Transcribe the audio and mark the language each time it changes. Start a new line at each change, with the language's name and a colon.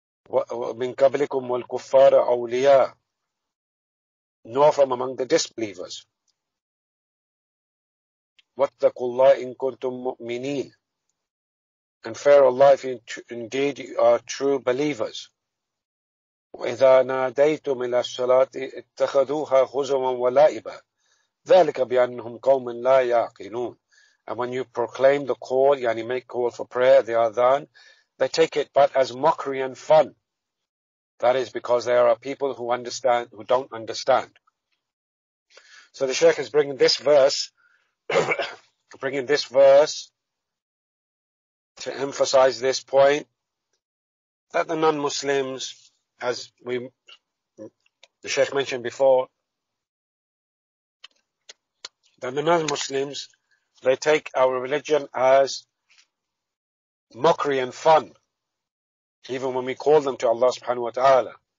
Arabic: من قبلكم والكفار أولياء,
English: nor from among the disbelievers.
Arabic: واتقوا الله إن كنتم مؤمنين,
English: and fear Allah if indeed you are true believers.
Arabic: وإذا ناديتم إلى الصلاة اتخذوها خزوا ولعبا ذلك بأنهم قوم لا يعقلون.
English: And when you proclaim the call, yani make call for prayer, the adhan, they take it but as mockery and fun. That is because there are people who understand, who don't understand. So the Shaykh is bringing this verse, bringing this verse to emphasize this point, that the non-Muslims, as we, the Shaykh mentioned before, that the non-Muslims, they take our religion as mockery and fun, even when we call them to Allah subhanahu wa ta'ala.